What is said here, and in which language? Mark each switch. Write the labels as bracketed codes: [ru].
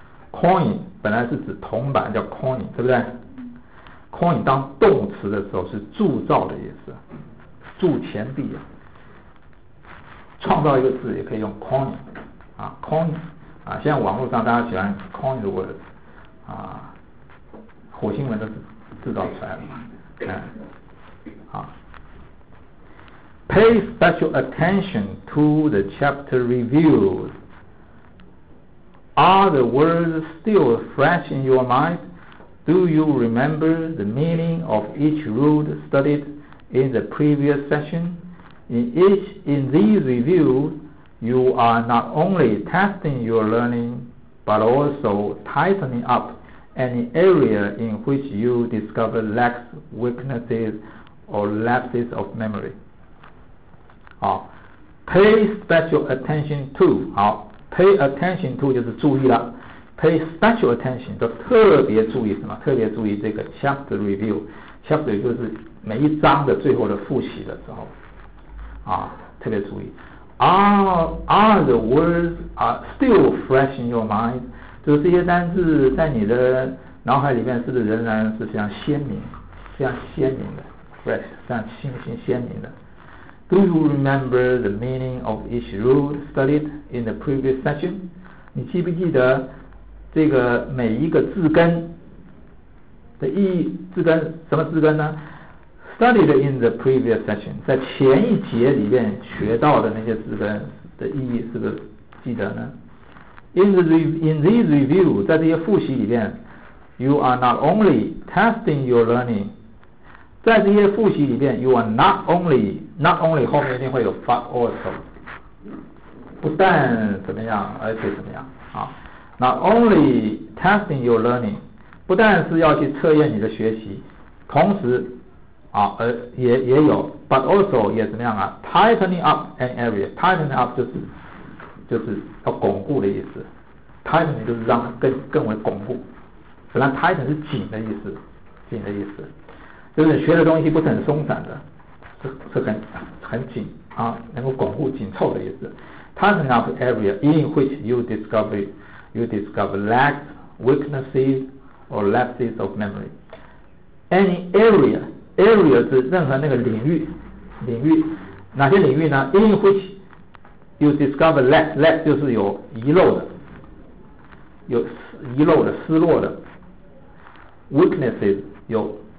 [zh] coin 本来是指铜板，叫 coin， 对不对？coin 当动词的时候是铸造的意思，铸钱币、啊、创造一个字也可以用 coin 啊， coin 啊，现在网络上大家喜欢 coin 的 word 啊，火星文都是制造出来的嘛， [en] Pay special attention to the chapter reviews. Are the words still fresh in your mind? Do you remember the meaning of each root studied in the previous session? In these reviews, you are not only testing your learning, but also tightening up any area in which you discover lacks, weaknesses, or lapses of memory. 好 ，pay special attention to， 好 ，pay attention to [zh] 就是注意了 [en] pay special attention， [zh] 都特别注意什么？特别注意这个 chapter review。 chapter 就是每一章的最后的复习的时候，啊，特别注意。 [en] Are the words are still fresh in your mind？ [zh] 就是这些单字在你的脑海里面是不是仍然是非常鲜明、非常鲜明的 ，fresh， 非常清新鲜明的。 [en] Do you remember the meaning of each rule studied in the previous session？ [zh] 你记不记得这个每一个字根的意义？字根什么字根呢 ？ [en] Studied in the previous session， [zh] 在前一节里面学到的那些字根的意义是不是记得呢 ？ [en] In these review， [zh] 在这些复习里面 ， [en] you are not only testing your learning。 [zh] 在这些复习里面 ， [en] you are not only [zh] 后面一定会有 but also， 不但怎么样，而且怎么样啊 ？ [en] Not only testing your learning， [zh] 不但是要去测验你的学习，同时啊，也有 but also 也怎么样啊 ？ [en] Tightening up an area， tightening up [zh] 就是要巩固的意思 ，tightening 就是让它更为巩固，本来 tighten 是紧的意思，紧的意思。就是学的东西不是很松散的，是很紧啊，能够巩固紧凑的意思。 [en] Tightening up area in which you discover lacks, weaknesses, or lapses of memory. [zh] Any area 是任何那个领域，哪些领域呢 ？ [en] In which you discover lack [zh] 就是有遗漏的，有遗漏的、失落的 weaknesses 有